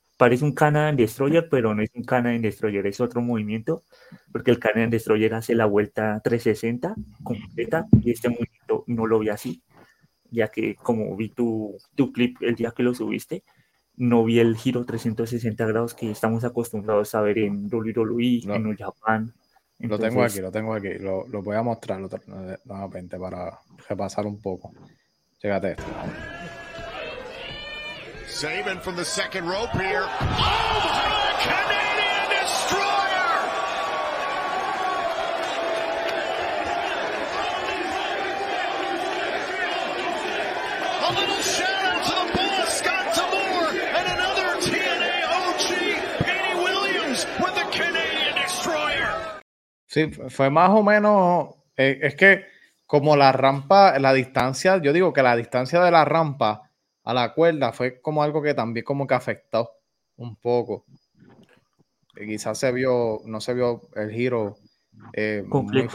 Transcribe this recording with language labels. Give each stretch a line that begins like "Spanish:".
Spanish: Parece un Canadian Destroyer, pero no es un Canadian Destroyer, es otro movimiento, porque el Canadian Destroyer hace la vuelta 360 completa y este movimiento no lo vi así, ya que como vi tu clip el día que lo subiste, no vi el giro 360 grados que estamos acostumbrados a ver en WWE, en New Japan. Lo tengo aquí, Entonces, lo voy a mostrar nuevamente para repasar un poco. Chécate esto.
English: Saban from the second rope here. Oh, the Canadian Destroyer! A little shout out to the boss, Scott Tabor, and another TNA OG, Petey Williams, with the Canadian Destroyer.
Spanish: Sí, fue más o menos. Es que, como la rampa, la distancia, yo digo que la distancia de la rampa a la cuerda fue como algo que también como que afectó un poco. Y quizás se vio, no se vio el giro muy